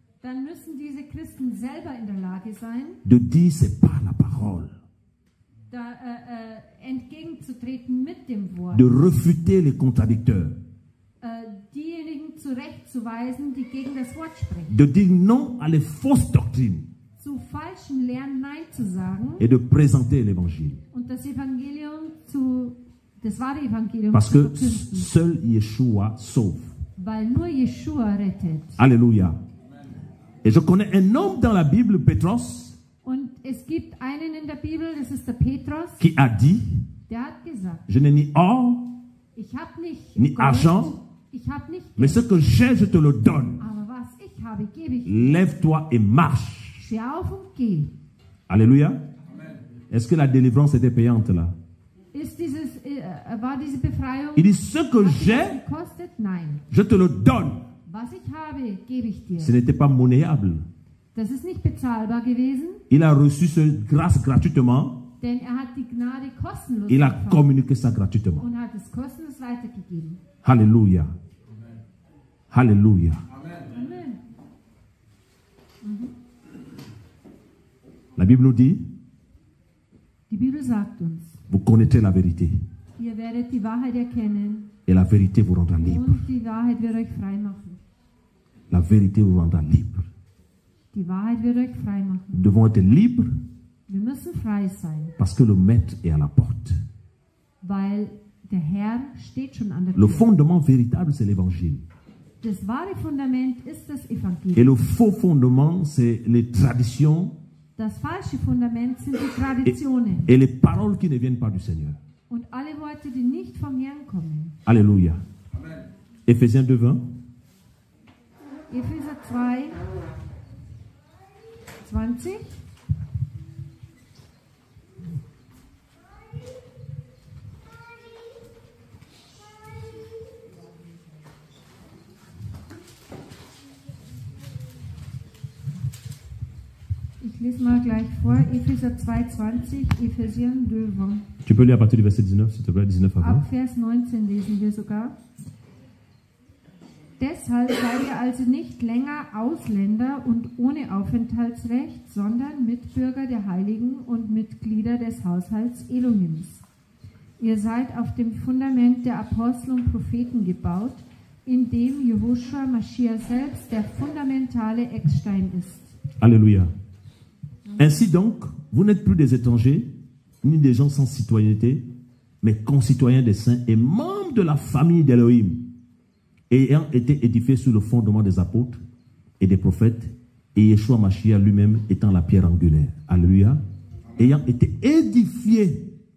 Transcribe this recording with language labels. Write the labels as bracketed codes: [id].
[de] Dann müssen diese Christen selber in der Lage sein, [fr] de dire, c'est pas la parole. [de] Da, entgegenzutreten mit dem Wort. [fr] De refuter les contradicteurs. [de] Diejenigen zurechtzuweisen, die gegen das Wort sprechen. [fr] De dire non à les fausses doctrines. [de] Zu falschen Lehren Nein zu sagen. [fr] Et de présenter l'évangile. [de] Und das Evangelium zu, das wahre Evangelium [fr] parce [de] zu verkünden. [fr] Parce que seul Yeshua sauve. [de] Weil nur Yeshua rettet. [fr] Alléluia. Et je connais un homme dans la Bible, Petros, [de] und es gibt einen in der Bibel, das ist der Petrus, [fr] qui a dit, [de] der hat gesagt, [fr] je n'ai ni or, [de] ich hab nicht [fr] ni [de] Gold, [fr] argent, [de] ich hab nicht [fr] mais ce que j'ai, je te le donne. [de] Aber was ich habe, gebe ich. [fr] Lève-toi et marche. [de] Steh auf und geh. [fr] Alléluia. Amen. Est-ce que la délivrance était payante là? [de] Ist dieses, war diese Befreiung, [fr] il dit, ce que j'ai, [de] gekostet? Nein. [fr] Je te le donne. [de] Was ich habe, gebe ich dir. [fr] Ce n'était pas monnayable. [de] Das ist nicht bezahlbar gewesen. [fr] Il a reçu cette grâce gratuitement. [de] Denn er hat die Gnade kostenlos. [fr] Il a communiqué ça gratuitement. [de] Und hat es kostenlos weitergegeben. Halleluja. Amen. Halleluja. Amen. Amen. [fr] La Bible nous dit. [de] Die Bibel sagt uns. [fr] Vous connaîtrez la vérité. [de] Ihr werdet die Wahrheit erkennen. [fr] Et la vérité vous rendra libre. [de] Und die Wahrheit wird euch frei machen. [fr] La vérité vous rendra libre. [de] Die Wahrheit wird euch frei machen. [fr] Nous devons être libres. [de] Wir müssen frei sein. [fr] Parce que le maître est à la porte. [de] Weil der Herr steht schon an der Tür. [fr] Le fondement véritable, c'est l'évangile. [de] Das wahre Fundament ist das Evangelium. [fr] Et le faux fondement, c'est les traditions. [de] Das falsche Fundament sind die Traditionen. [fr] Et les paroles qui ne viennent pas du Seigneur. [de] Und alle Worte, die nicht vom Herrn kommen. [fr] Alléluia. Amen. Ephésiens 2:20. [de] Epheser 2:20. Ich lese mal gleich vor. Epheser 2:20. [fr] Ephesien 2:20. Tu peux lire à partir du verset 19, s'il te plaît, 19 avant. [de] Ab Vers 19 lesen wir sogar. Deshalb seid ihr also nicht länger Ausländer und ohne Aufenthaltsrecht, sondern Mitbürger der Heiligen und Mitglieder des Haushalts Elohims. Ihr seid auf dem Fundament der Apostel und Propheten gebaut, in dem Jehoshua Maschia selbst der fundamentale Eckstein ist. [fr] Alléluia. Ainsi donc, vous n'êtes plus des étrangers, ni des gens sans citoyenneté, mais concitoyens des saints et membres de la famille d'Elohim. Ayant été édifié sur le fondement des apôtres et des prophètes, et Yeshua Mashiach lui-même étant la pierre angulaire. Alléluia. Ayant été édifié.